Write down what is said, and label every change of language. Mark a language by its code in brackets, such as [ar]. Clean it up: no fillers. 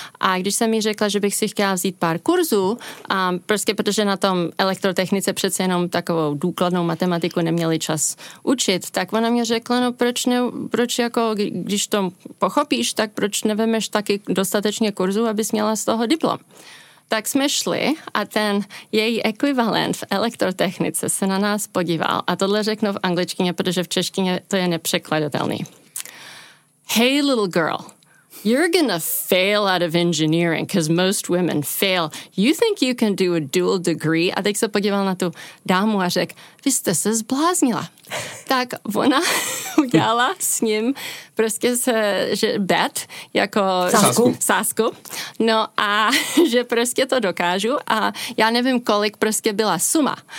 [cs] A když jsem jí řekla, že bych si chtěla vzít pár kurzů, prostě protože na tom elektrotechnice přece jenom takovou důkladnou matematiku neměli čas učit, tak ona mě řekla, no proč ne, proč jako, když to pochopíš, tak proč nevemeš taky dostatečně kurzu, abys měla z toho diplom. Tak jsme šli a ten její ekvivalent v elektrotechnice se na nás podíval, a tohle řeknu v angličtině, protože v češtině to je nepřekladatelný. [en] Hey little girl, you're gonna fail out of engineering because most women fail. You think you can do a dual degree? [cs] A teď se podíval na tu dámu a řekl, vy jste se zbláznila. Tak ona udělala s ním prostě že bet, jako sásku. No a že prostě to dokážu, a já nevím, kolik prostě byla suma.